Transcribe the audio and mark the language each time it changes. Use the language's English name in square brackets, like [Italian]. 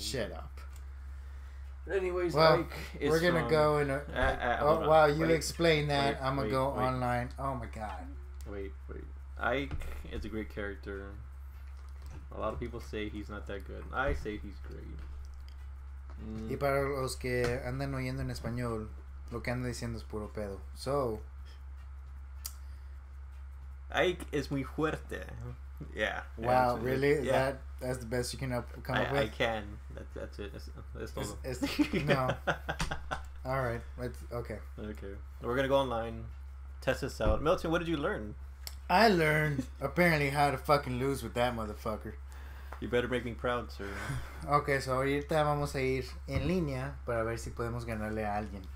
[English] Shut up. Anyways, well, Ike is we're going to go in a... Wow, you explained that. I'm going to go online. Oh, my God. Wait. Ike is a great character. A lot of people say he's not that good. I say he's great. Mm. [Spanish] Y para los que andan oyendo en español, lo que andan diciendo es puro pedo. [English] So, [Spanish] Ike es muy fuerte. [English] Yeah. Wow, really? Yeah. That's the best you can come up with? I can. That's it. No. All right. Okay. We're going to go online, test this out. Milton, what did you learn? I learned apparently how to fucking lose with that motherfucker. You better make me proud, sir. Okay, so [Spanish] ahorita vamos a ir en línea para ver si podemos ganarle a alguien.